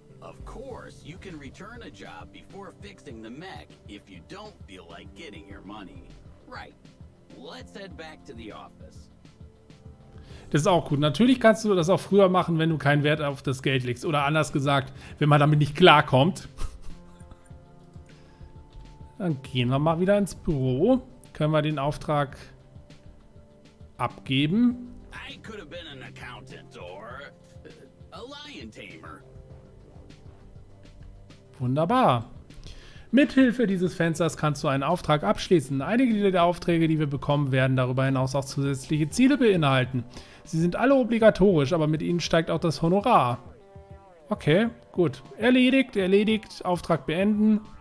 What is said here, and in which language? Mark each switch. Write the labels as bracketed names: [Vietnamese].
[English] Of course, you can return a job before fixing the mech if you don't feel like getting your money. Right. Let's head back to the office. [German] Das ist auch gut. Natürlich kannst du das auch früher machen, wenn du keinen Wert auf das Geld legst. Oder anders gesagt, wenn man damit nicht klarkommt. Dann gehen wir mal wieder ins Büro. Können wir den Auftrag abgeben? [English] I could have been an accountant or a lion tamer. [German] Wunderbar. Mithilfe dieses Fensters kannst du einen Auftrag abschließen. Einige der Aufträge, die wir bekommen, werden darüber hinaus auch zusätzliche Ziele beinhalten. Sie sind alle obligatorisch, aber mit ihnen steigt auch das Honorar. Okay, gut. Erledigt. Auftrag beenden.